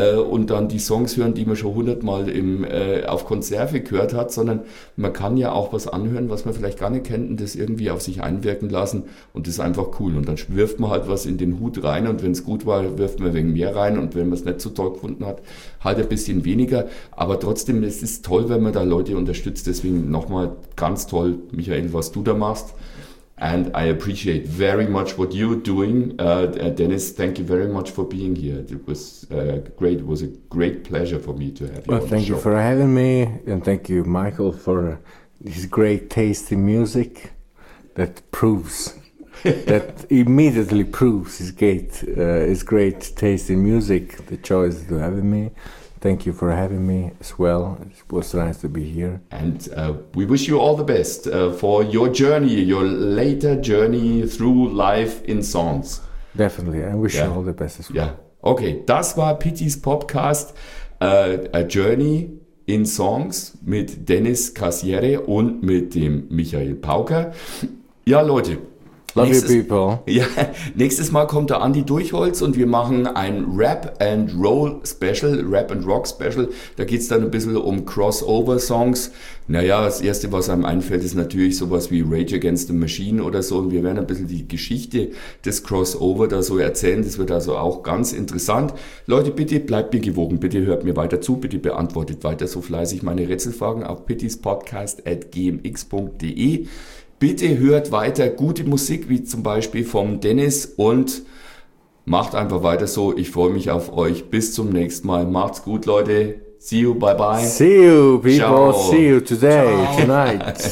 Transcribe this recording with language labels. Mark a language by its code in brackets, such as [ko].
[de] und dann die Songs hören, die man schon 100 Mal auf Konserve gehört hat, sondern man kann ja auch was anhören, was man vielleicht gar nicht kennt und das irgendwie auf sich einwirken lassen und das ist einfach cool und dann wirft man halt was in den Hut rein und wenn es gut war, wirft man wegen mehr rein und wenn man es nicht so toll gefunden hat, halt ein bisschen weniger, aber trotzdem, es ist toll, wenn man da Leute unterstützt, deswegen nochmal ganz toll, Michael, was du da machst. [en] And I appreciate very much what you're doing. Dennis, thank you very much for being here. It was great. It was a great pleasure for me to have you. Well, thank you for having me. And thank you, Michael, for this great taste in music that proves, that immediately proves his great taste in music, the choice to having me. Thank you for having me as well. It was nice to be here. And we wish you all the best for your journey, your later journey through life in songs. Definitely. I wish you all the best as well. Yeah. Okay. [de] Das war Pitys Podcast, A Journey in Songs mit Dennis Cassiere und mit dem Michael Pauker. Ja, Leute. [en] Love you, people. [de] Ja, nächstes Mal kommt der Andi Durchholz und wir machen ein Rap and Roll Special, Rap and Rock Special. Da geht es dann ein bisschen um Crossover-Songs. Naja, das Erste, was einem einfällt, ist natürlich sowas wie Rage Against the Machine oder so. Und wir werden ein bisschen die Geschichte des Crossover da so erzählen. Das wird also auch ganz interessant. Leute, bitte bleibt mir gewogen. Bitte hört mir weiter zu. Bitte beantwortet weiter so fleißig meine Rätselfragen auf pittyspodcast@gmx.de. Bitte hört weiter gute Musik, wie zum Beispiel vom Dennis und macht einfach weiter so. Ich freue mich auf euch. Bis zum nächsten Mal. Macht's gut, Leute. [en] See you, bye bye. See you, people. Ciao. See you today, tonight.